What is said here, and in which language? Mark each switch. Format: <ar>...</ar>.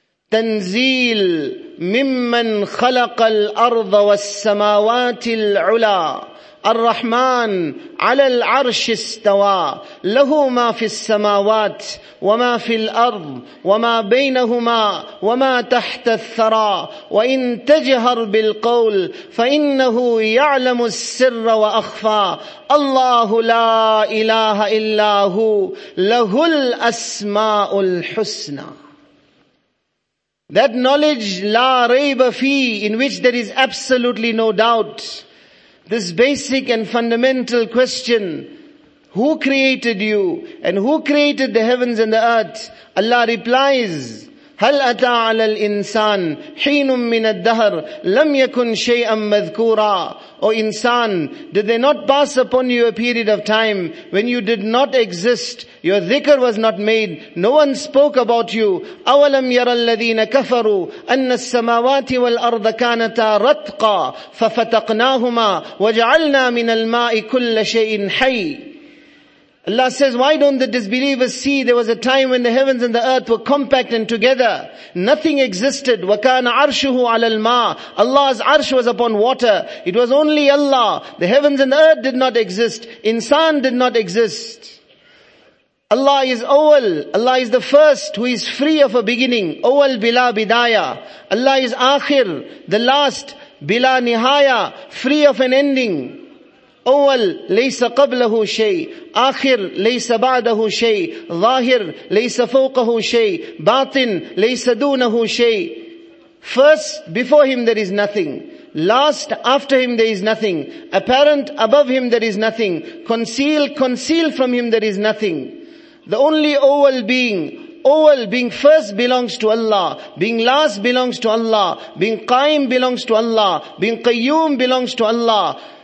<ar>تنزيل ممن خلق الأرض والسماوات العلا الرحمن على العرش استوى له ما في السماوات وما في الأرض وما بينهما وما تحت الثرى وإن تجهر بالقول فإنه يعلم السر وأخفى الله لا إله إلا هو له الأسماء الحسنى.</ar> <en>That knowledge</en> <ar>لا ريب فيه,</ar> <en>in which there is absolutely no doubt. This basic and fundamental question, who created you and who created the heavens and the earth? Allah replies,</en> <ar>هَلْ أَتَى عَلَى الْإِنسَانِ حِينٌ مِّنَ الدَّهَرِ لَمْ يَكُنْ شَيْئًا مَذْكُورًا.</ar> <en>O insan, did they not pass upon you a period of time when you did not exist? Your dhikr was not made. No one spoke about you.</en> <ar>أَوَلَمْ يَرَى الَّذِينَ كَفَرُوا أَنَّ السَّمَاوَاتِ وَالْأَرْضَ كَانَتَا رَتْقًا فَفَتَقْنَاهُمَا وَجَعَلْنَا مِنَ الْمَاءِ كُلَّ شَيْءٍ حَيٍّ.</ar> <en>Allah says, why don't the disbelievers see there was a time when the heavens and the earth were compact and together. Nothing existed.</en> <ar>وَكَانَ عَرْشُهُ عَلَى الْمَاءِ.</ar> <en>Allah's arsh was upon water. It was only Allah. The heavens and the earth did not exist. Insan did not exist. Allah is awal. Allah is the first who is free of a beginning.</en> <ar>Awal bila bidaya.</ar> <en>Allah is akhir, the last.</en> <ar>Bila nihaya,</ar> <en>free of an ending.</en> <ar>أول ليس قبله شيء آخر ليس بعده شيء ظاهر ليس فوقه شيء باطن ليس دونه شيء.</ar> <en>First, before him there is nothing. Last, after him there is nothing. Apparent, above him there is nothing. Concealed from him there is nothing. The only أول being, أول being first belongs to Allah, being last belongs to Allah, being قائم belongs to Allah, being قيوم belongs to Allah.</en>